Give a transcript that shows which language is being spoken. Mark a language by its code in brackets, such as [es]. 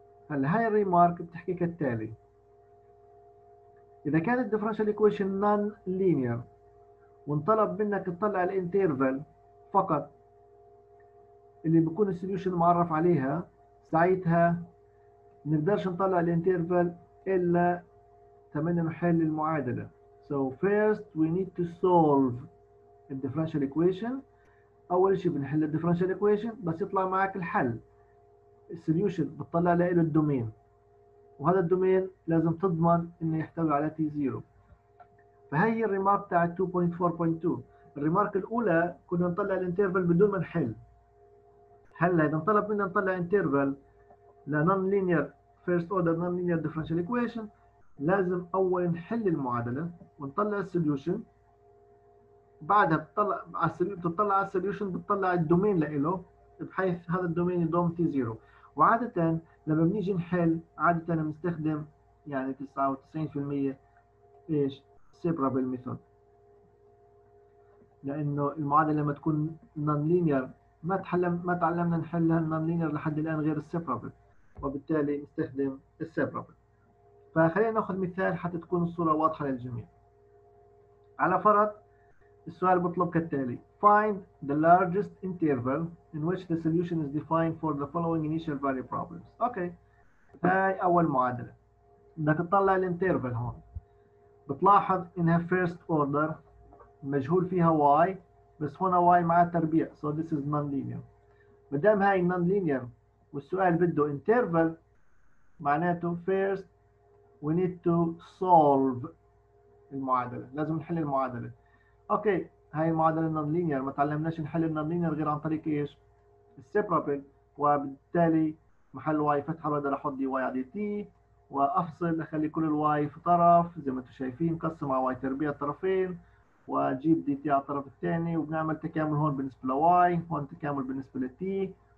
[ar] هلا هاي الريمارك بتحكي كالتالي: اذا كانت الديفرنشال ايكويشن نون لينير وانطلب منك تطلع الانترفال فقط اللي بيكون السوليوشن معرف عليها، ساعتها ما نقدرش نطلع الانترفال الا ثمن نحل المعادله. [en] So first we need to solve the differential equation. [ar] اول شيء بنحل الديفرنشال ايكويشن بس يطلع معك الحل. السوليوشن بتطلع له الدومين، وهذا الدومين لازم تضمن انه يحتوي على تي زيرو. فهي هي الريمارك تاع 2.4.2. الريمارك الاولى كنا نطلع الانترفال بدون ما نحل. هلا اذا طلب منا نطلع انترفال لنون لينير فيرست اوردر نون لينير ديفرنشال ايكويشن، لازم اول نحل المعادله ونطلع السوليوشن، بعدها بتطلع على السوليوشن بتطلع الدومين له بحيث هذا الدومين يضم تي زيرو. وعاده لما بنيجي نحل عاده بنستخدم يعني 99% ايش؟ سيبرابل ميثود، لانه المعادله لما تكون نون لينير ما تعلمنا نحلها النون لينير لحد الان غير السيبرابل، وبالتالي نستخدم السيبرابل. فخلينا ناخذ مثال حتى تكون الصوره واضحه للجميع. على فرض السؤال بيطلب كالتالي: [en] Find the largest interval in which the solution is defined for the following initial value problems. [ar] Okay. هاي أول معادلة. بدك تطلع الانترفال هون. بتلاحظ إنها first order. مجهول فيها y. بس هنا y مع تربيع. [en] So this is non-linear. [ar] مدام هاي non-linear والسؤال بده interval، معناته [en] first we need to solve [ar] المعادلة. لازم نحل المعادلة. Okay. هاي المعادله النون لينير ما تعلمناش نحل النون لينير غير عن طريق ايش؟ السيبرابل. وبالتالي محل واي فتحه بقدر احط دي واي على دي تي وافصل اخلي كل الواي في طرف زي ما انتم شايفين، قسم على واي تربيع الطرفين واجيب دي تي على الطرف الثاني، وبنعمل تكامل هون بالنسبه لواي هون تكامل بالنسبه للتي.